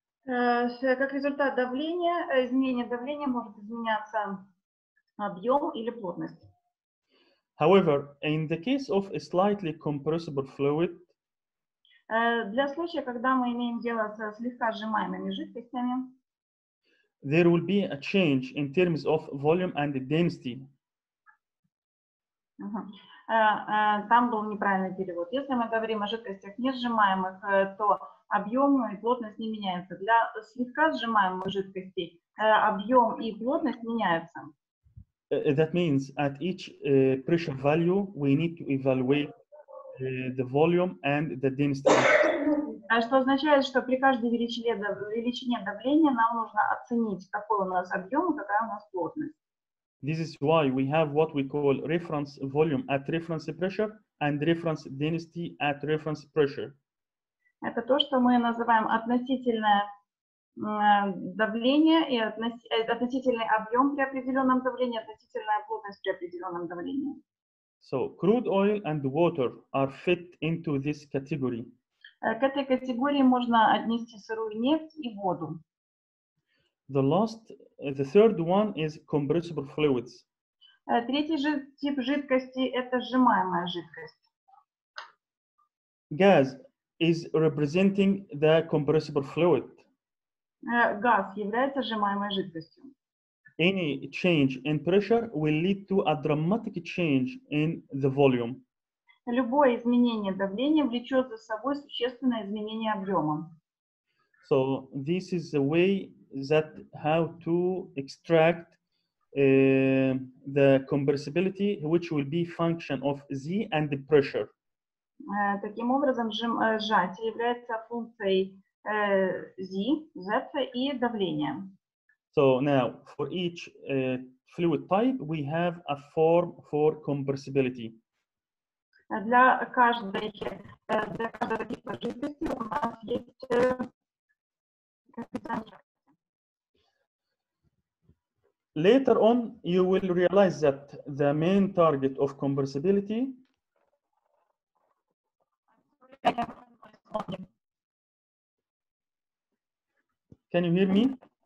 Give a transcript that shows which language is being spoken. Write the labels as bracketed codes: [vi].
[ru] Как результат давления, изменение давления может изменяться объем или плотность. [en] However, in the case of a slightly compressible fluid, [ru] для случая, когда мы имеем дело со слегка сжимаемыми жидкостями, [en] there will be a change in terms of volume and density. [ru] Там был неправильный перевод. Если мы говорим о жидкостях несжимаемых, то объем и плотность не меняются. Для слегка сжимаемых жидкостей объем и плотность меняются. [en] That means at each pressure value we need to evaluate the volume and the density. [ru] Что означает, что при каждой величине давления нам нужно оценить, какой у нас объем и какая у нас плотность. [en] This is why we have what we call reference volume at reference pressure and reference density at reference pressure. [ru] Это то, что мы называем относительное давление и относительный объем при определенном давлении, относительная плотность при определенном давлении. [en] So, crude oil and water are fit into this category. [ru] К этой категории можно отнести сырую нефть и воду. [en] The last, the third one is compressible fluids. [ru] Третий же тип жидкости – это сжимаемая жидкость. [en] Gas is representing the compressible fluid. [ru] Газ является сжимаемой жидкостью. [en] Any change in pressure will lead to a dramatic change in the volume. [ru] Любое изменение давления влечет за собой существенное изменение объема. [en] So this is the way that how to extract the compressibility, which will be function of Z and the pressure. [ru] Таким образом, сжатие является функцией Z, Z и давления. [en] So now, for each fluid type, we have a form for compressibility. [ru] Для каждого типа жидкости у нас есть. [en] Later on, you will realize that the main target of compressibility Can you hear me?